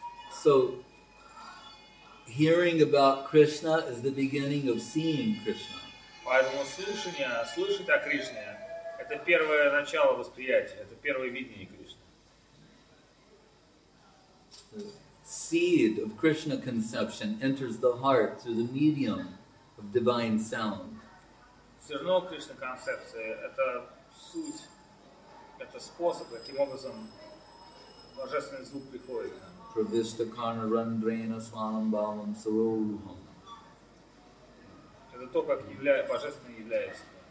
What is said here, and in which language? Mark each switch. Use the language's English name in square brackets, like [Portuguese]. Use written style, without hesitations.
[English] So, hearing about Krishna is the beginning of seeing Krishna. [Russian] Поэтому слышать о Кришне – это первое начало восприятия, это первое видение Кришны. [English] The seed of Krishna conception enters the heart through the medium of divine sound. [Russian] Зерно Кришна концепции – это суть, это способ, каким образом [Sanskrit] Pravishta karna randrena svanam bhavam saroruham. [Russian] Это то, как божественное является.